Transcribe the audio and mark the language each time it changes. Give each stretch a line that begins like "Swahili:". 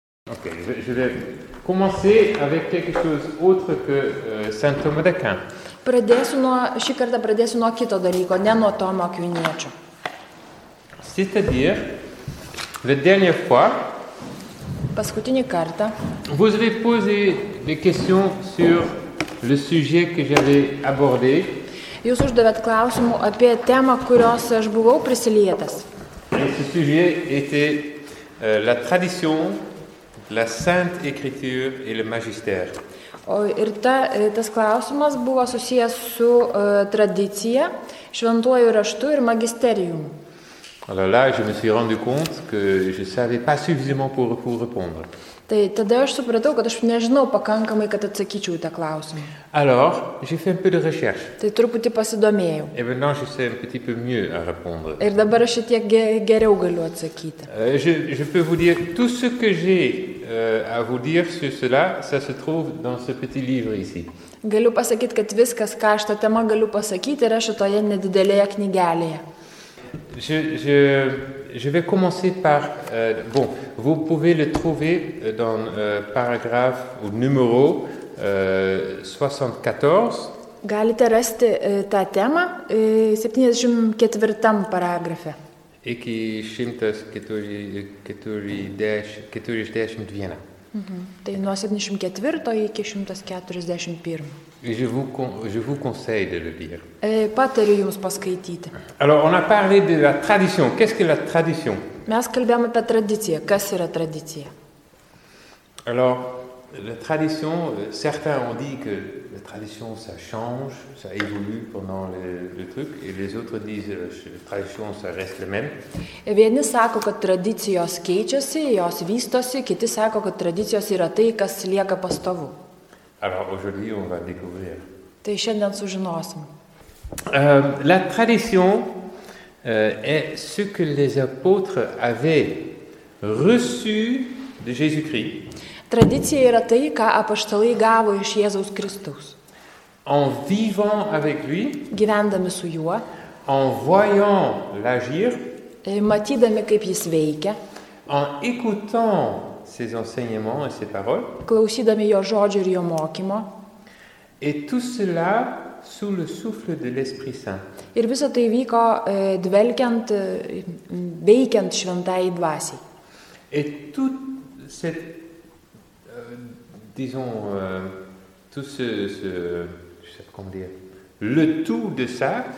French: Ok, je vais commencer avec quelque chose autre que Saint Thomas d'Aquin.
Lithuanian: Šį kartą pradėsiu nuo kito dalyko, ne nuo Tomo Akviniečio.
French: C'est-à-dire, la dernière fois,
Lithuanian: paskutinį kartą,
French: vous avez posé des questions sur le sujet que j'avais abordé.
Lithuanian: Jūs uždavėt klausimų apie temą, kurios aš buvau prisilietęs.
French: Et ce sujet était la tradition, la sainte écriture et le magistère.
Lithuanian: Ir tas klausimas buvo susijęs su tradicija, šventuoju raštu ir magisterium.
French: Alors là, je me suis rendu compte que je savais pas suffisamment pour répondre.
Lithuanian: Tai tada aš supratau, kad aš nežinau pakankamai, kad atsakyčiau tą klausimą.
French: Alors, j'ai fait un peu de recherche.
Lithuanian: Tai truputį pasidomėjau.
French: Et maintenant, je sais un petit peu mieux à répondre.
Lithuanian: Ir dabar aš šitiek geriau galiu atsakyti.
French: Je peux vous dire tout ce que j'ai à vous dire sur cela, ça se trouve dans ce petit livre ici.
Lithuanian: Galiu pasakyti, kad viskas, ką aš tą temą galiu pasakyti, yra šitoje nedidelėje knygelėje.
French: Je vais commencer par bon, vous pouvez le trouver dans paragraphe ou numéro 74.
Lithuanian: Galite rasti tą temą 74 paragrafe. Iki 140 viena. Tai nuo 74 iki 141.
French: Je vous conseille de le lire.
Lithuanian: Patariu jums paskaityti.
French: Alors, on a parlé de la tradition. Qu'est-ce que la tradition?
Lithuanian: Mes kalbėjome apie tradiciją. Kas yra tradicija?
French: Alors, la tradition, certains ont dit que la tradition, ça change, ça évolue pendant le truc, et les autres disent que la tradition, ça reste la même.
Lithuanian: Et vieni sako, kad tradicijos keičiasi, jos vystosi, kiti sako, kad tradicijos yra tai, kas lieka pastovu.
French: Alors aujourd'hui on va découvrir.
Lithuanian: Tai šiandien sužinosim.
French: La tradition est ce que les apôtres avaient reçu de Jésus-Christ.
Lithuanian: Tradicija yra tai, ką apaštalai gavo iš Jėzaus Kristaus.
French: En vivant avec lui,
Lithuanian: gyvendami su juo,
French: en voyant l'agir,
Lithuanian: matydami kaip jis veikia,
French: en écoutant ses enseignements et ses paroles,
Lithuanian: klausydami jo žodžių ir jo mokymo,
French: et tout cela sous le souffle de l'Esprit Saint.
Lithuanian: Ir visa tai vyko dvelkiant, veikiant šventai dvasiai.
French: Et tout cette, disons, tout ce, je sais pas comment dire, le tout de ça,